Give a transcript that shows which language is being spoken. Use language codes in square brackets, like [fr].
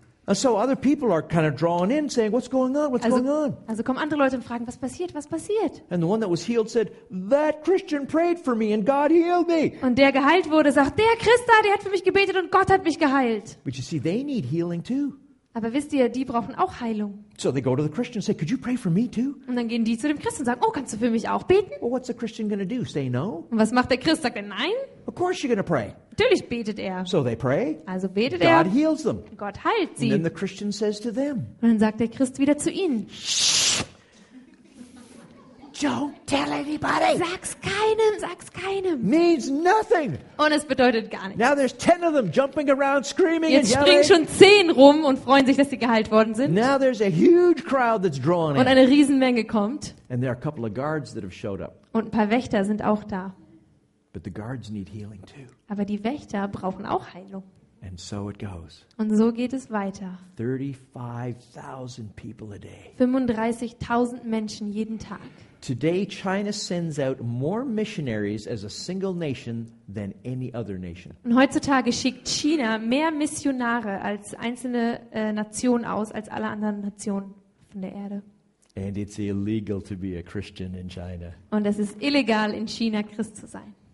[en] And so other people are kind of drawn in, saying, "What's going on? What's going on?" [de] Also kommen andere Leute und fragen, was passiert, was passiert? [en] And the one that was healed said, "That Christian prayed for me and God healed me." [de] Und der geheilt wurde, sagt, der Christ da, der hat für mich gebetet und Gott hat mich geheilt. [en] But you see, they need healing too. [de] Aber wisst ihr, die brauchen auch Heilung. [en] So they go to the Christian and say, "Could you pray for me too?" [de] Und dann gehen die zu dem Christen und sagen, "Oh, kannst du für mich auch beten?" [en] Well, what's the Christian going to do? Say no? [de] Und was macht der Christ? Sagt er nein? [en] Of course you're going to pray. [de] Natürlich betet er. [en] So they pray. [de] Also betet [en] God [de] er. [en] God heals them. [de] Gott heilt sie. [en] And then the Christian says to them. [de] Und dann sagt der Christ wieder zu ihnen. [en] Don't tell anybody. [de] Sag's keinem. [en] Means nothing. [de] Und es bedeutet gar nichts. [en] Now there's 10 of them jumping around, screaming [de] jetzt [en] and yelling. [de] Springen schon 10 rum und freuen sich, dass sie geheilt worden sind. [en] Now there's a huge crowd that's drawn [de] und [en] in. [de] Und eine Riesenmenge kommt. [en] And there are a couple of guards that have showed up. [de] Und ein paar Wächter sind auch da. [en] But the guards need healing too. [de] Aber die Wächter brauchen auch Heilung. [en] And so it goes. [de] Und so geht es weiter. [en] 35,000 people a day. [de] 35,000 Menschen jeden Tag. [en] Today China sends out more missionaries as a single nation than any other nation. [de] Und heutzutage schickt China mehr Missionare als einzelne Nation aus als alle anderen Nationen von der Erde. [en] And it's illegal to be a Christian in China. [de] Und es ist illegal in China Christ zu sein.